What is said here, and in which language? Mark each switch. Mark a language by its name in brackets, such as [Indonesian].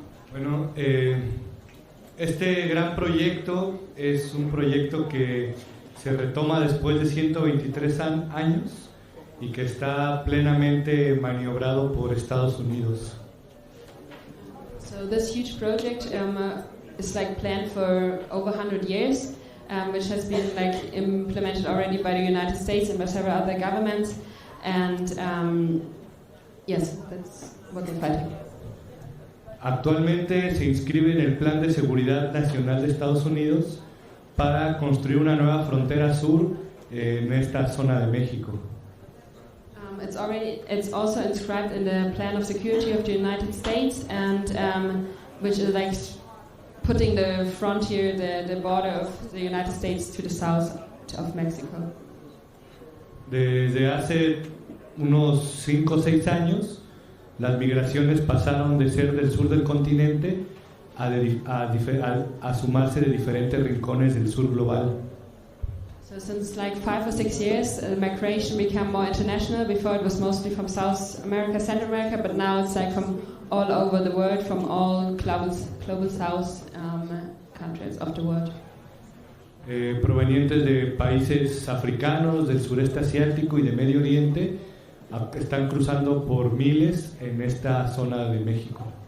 [Spanish] Bueno, este gran proyecto es un proyecto que se retoma después de 123 años y que está plenamente maniobrado por Estados Unidos. [English] So this huge project is like planned for over 100 years, which has been like implemented already by the United States and by several other governments. And yes, that's what they're fighting. [Spanish] Actualmente se inscribe en el Plan de Seguridad Nacional de Estados Unidos para construir una nueva frontera sur en esta zona de México. [English] It's also inscribed in the Plan of Security of the United States, and which is like putting the frontier, the border of the United States to the south of Mexico. [Spanish] Desde hace unos 5 o 6 años las migraciones pasaron de ser del sur del continente a sumarse de diferentes rincones del sur global. [English] So since like 5 or 6 years, migration became more international. Before it was mostly from South America, Central America, but now it's like from all over the world, from all global south countries of the world. [Spanish] Provenientes de países africanos, del sureste asiático y de Medio Oriente, están cruzando por miles en esta zona de México.